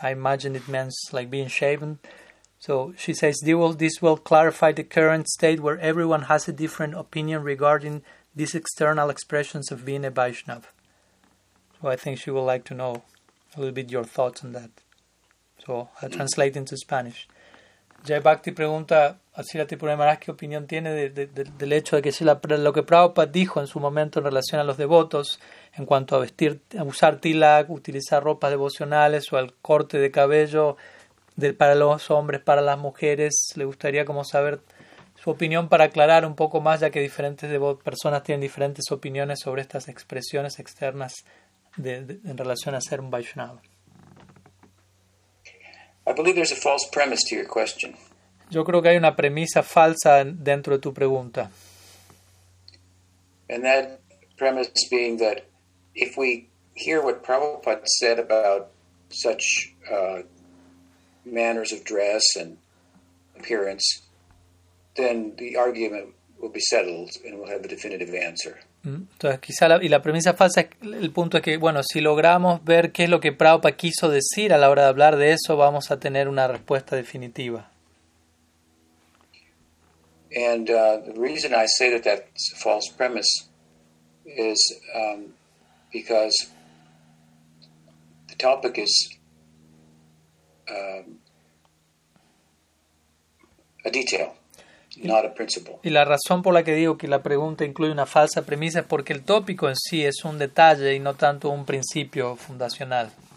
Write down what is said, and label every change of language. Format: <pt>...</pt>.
<en>I imagine it means like being shaven. So she says, this will clarify the current state where everyone has a different opinion regarding these external expressions of being a Vaishnav. So I think she would like to know a little bit your thoughts on that. So I'll translate into Spanish.</en> <es>Jai Bhakti pregunta a Srila Tripura Maharaj qué opinión tiene del hecho de que si lo que Prabhupada dijo en su momento en relación a los devotos en cuanto a vestir, a usar tilak, utilizar ropas devocionales o al corte de cabello de, para los hombres, para las mujeres, le gustaría como saber su opinión para aclarar un poco más, ya que diferentes personas tienen diferentes opiniones sobre estas expresiones externas de, en relación a ser un Vaishnava.</es> <en>I believe there's a false premise to your question.</en> <es>Yo creo que hay una premisa falsa dentro de tu pregunta.</es> <en>And that premise being that if we hear what Prabhupada said about such manners of dress and appearance, then the argument will be settled and we'll have the definitive answer.</en> <es>Entonces, quizá la premisa falsa, el punto es que, bueno, si logramos ver qué es lo que Prabhupada quiso decir a la hora de hablar de eso, vamos a tener una respuesta definitiva.</es> <en>And the reason I say that that's a false premise is because the topic is a detail. Not a principle.</en> <es>Y la razón por la que digo que la pregunta incluye una falsa premisa es porque el tópico en sí es un detalle y no tanto un principio fundacional.</es>